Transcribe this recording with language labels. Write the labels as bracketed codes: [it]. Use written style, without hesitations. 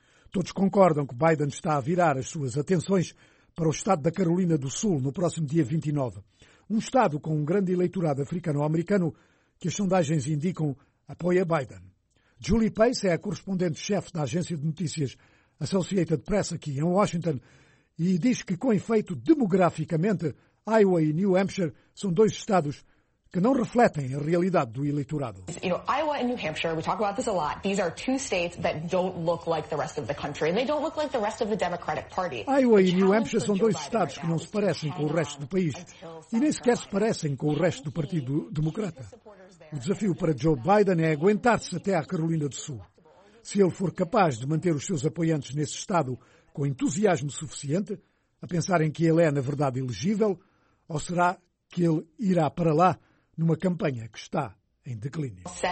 [pt] Todos concordam que Biden está a virar as suas atenções para o estado da Carolina do Sul no próximo dia 29, um estado com um grande eleitorado africano-americano que as sondagens indicam apoia Biden. Julie Pace é a correspondente-chefe da agência de notícias Associated Press aqui em Washington e diz que, com efeito demograficamente, Iowa e New Hampshire são dois estados que não refletem a realidade do eleitorado. [en] You know, Iowa and New Hampshire, we talk about this a lot. These are two states that don't look like the rest of the country, and they don't look like the rest of the Democratic Party. [pt] Iowa e New Hampshire são dois estados que não se parecem com o resto do país e nem sequer se parecem com o resto do Partido Democrata. O desafio para Joe Biden é aguentar-se até à Carolina do Sul. Se ele for capaz de manter os seus apoiantes nesse estado com entusiasmo suficiente, a pensarem que ele é, na verdade, elegível, ou será que ele irá para lá numa campanha que está em declínio?